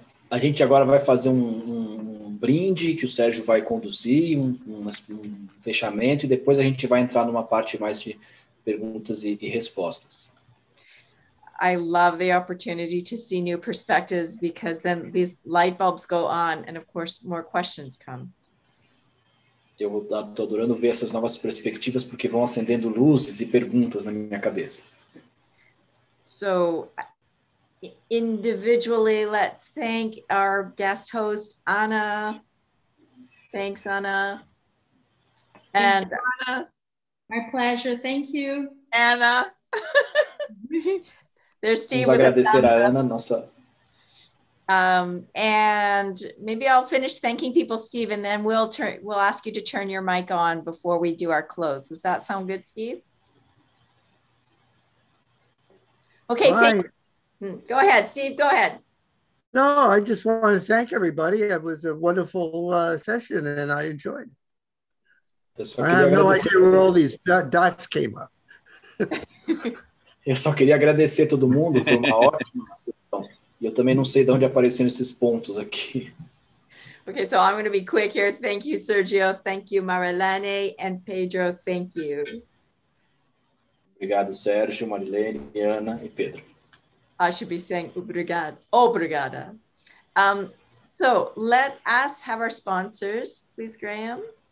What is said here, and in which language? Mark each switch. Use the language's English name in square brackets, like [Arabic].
[Portuguese] A gente agora vai fazer um brinde que o Sérgio vai conduzir, um fechamento, e depois a gente vai entrar numa parte mais de perguntas e respostas. [English] I love the opportunity to see new perspectives because then these light bulbs go on and of course more questions come. [Portuguese] Eu estou adorando ver essas novas perspectivas porque vão acendendo luzes e perguntas na minha cabeça. [English] So, individually, let's thank our guest host, Anna. Thanks, Anna. Thank you, Anna. My pleasure. Thank you, Anna. There's Steve. [Portuguese] Vamos agradecer a Anna, nossa. [English] And maybe I'll finish thanking people, Steve, and then we'll ask you to turn your mic on before we do our close. Does that sound good, Steve? Okay, thank you. Go ahead, Steve, go ahead. No, I just want to thank everybody. It was a wonderful session and I enjoyed it. I have no idea where all these dots came up. [Portuguese] Eu só queria agradecer a todo mundo, foi uma ótima sessão. E eu também não sei de onde apareceram esses pontos aqui. [English] Okay, so I'm going to be quick here. Thank you, Sergio. Thank you, Marilene and Pedro. Thank you. [Portuguese] Obrigado, Sergio, Marilene, Ana e Pedro. [English] I should be saying [Portuguese] obrigado. Obrigada. [English] So let us have our sponsors, please, Graham.